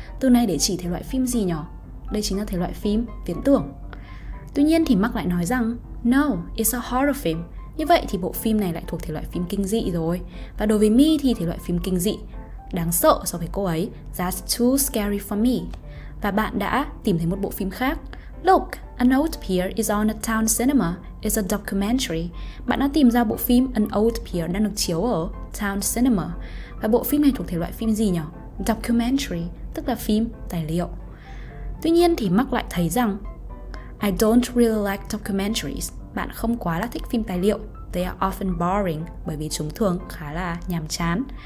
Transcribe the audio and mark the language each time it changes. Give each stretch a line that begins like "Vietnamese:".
Vietnamese: Từ này để chỉ thể loại phim gì nhỉ? Đây chính là thể loại phim viễn tưởng. Tuy nhiên thì Mark lại nói rằng
English: no, it's a horror film.
Vietnamese: Như vậy thì bộ phim này lại thuộc thể loại phim kinh dị rồi. Và đối với Mi thì thể loại phim kinh dị đáng sợ so với cô ấy.
English: That's too scary for me.
Vietnamese: Và bạn đã tìm thấy một bộ phim khác.
English: Look, An Old Peer is on a town cinema. It's a documentary.
Vietnamese: Bạn đã tìm ra bộ phim An Old Peer đang được chiếu ở town cinema. Và bộ phim này thuộc thể loại phim gì nhỉ? Documentary, tức là phim tài liệu. Tuy nhiên thì Mark lại thấy rằng
English: I don't really like documentaries.
Vietnamese: Bạn không quá là thích phim tài liệu.
English: They are often boring,
Vietnamese: bởi vì chúng thường khá là nhàm chán.